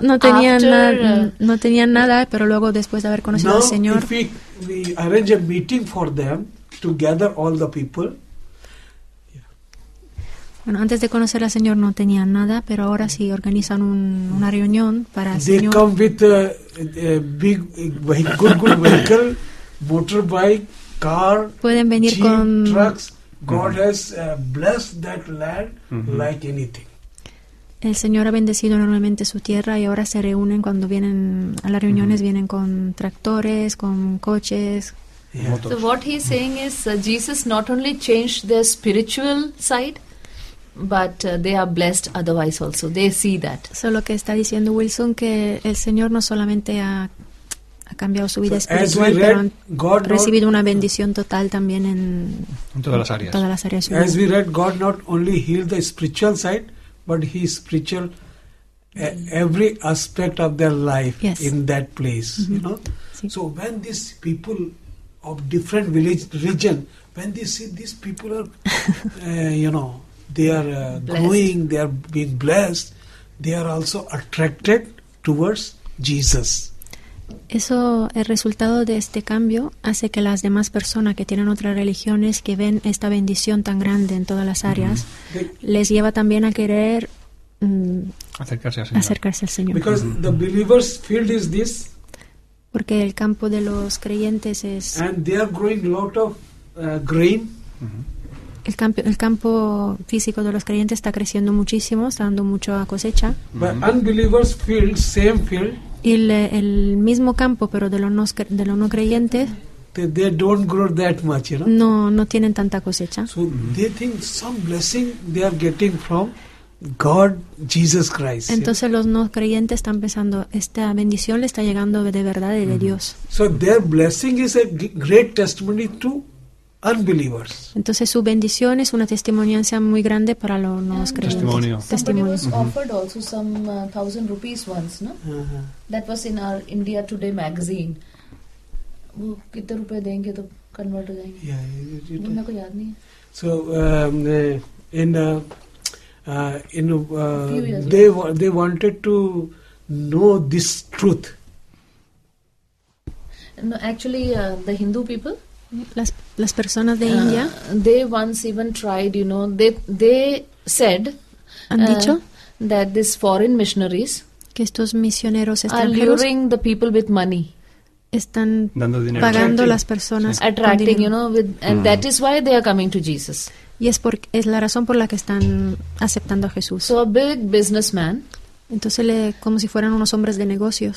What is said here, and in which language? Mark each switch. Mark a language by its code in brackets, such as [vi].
[es] no tenían nada, pero luego después de haber conocido [en] now, [es] al Señor. [en] Now, if we arrange a meeting for them to gather all the people. [es] Bueno, antes de conocer al Señor no tenían nada, pero ahora sí organizan una reunión para el [en] they [es] Señor. [en] They come with a big good vehicle, motorbike, car. [es] Pueden venir [en] jeep, [es] con [en] trucks. God has blessed that land like anything. [es] El Señor ha bendecido enormemente su tierra y ahora se reúnen cuando vienen a las reuniones vienen con tractores, con coches. [en] Yeah. So what he's saying is Jesus not only changed their spiritual side. But they are blessed otherwise also. They see that. [es] So lo que está diciendo Wilson que el Señor no solamente ha cambiado su vida [en] so [es] espiritual, [en] as we read, [es] pero [en] God [es] ha recibido una bendición total también en todas las áreas. Todas las áreas. [en] As humanas. We read, God not only healed the spiritual side, but he spiritual every aspect of their life yes. in that place. Mm-hmm. You know. [es] Sí. [en] So when these people of different village region, when they see these people are, they are growing, they are being blessed, they are also attracted towards Jesus. [es] Eso, el resultado de este cambio hace que las demás personas que tienen otras religiones que ven esta bendición tan grande en todas las áreas, les lleva también a querer acercarse al Señor. [en] Because the believers' field is this. [es] Porque el campo de los creyentes es. [en] And they are growing lot of grain. [es] El campo físico de los creyentes está creciendo muchísimo, está dando mucho a cosecha. [en] But unbelievers' field, same field. [es] Y el mismo campo, pero de los no creyentes, [en] they don't grow that much, you know? [es] No tienen tanta cosecha. [en] So they think some blessing they are getting from God, Jesus Christ. [es] Entonces los no creyentes están pensando, esta bendición le está llegando de verdad de Dios. [en] So their blessing is a great testimony to unbelievers. [es] Entonces su bendición es una testimonianza muy grande para los no creyentes. Testimonio. [en] Somebody was offered also some 1,000 rupees once, no? That was in our India Today magazine. [hi] वो कितने रुपए देंगे तो convert हो जाएंगे? [en] Yeah, [hi] मेरे को याद नहीं है. [en] So they wanted to know this truth. No, actually, the Hindu people. [es] Las personas de India, [en] they once even tried, you know, they said that these foreign missionaries, [es] que estos misioneros [en] extranjeros, are luring the people with money, [es] están dando dinero, pagando las personas, sí, [en] attracting, you know, with, and that is why they are coming to Jesus. [es] Y es la razón por la que están aceptando a Jesús. [en] So a big businessman, [es] entonces le, como si fueran unos hombres de negocios,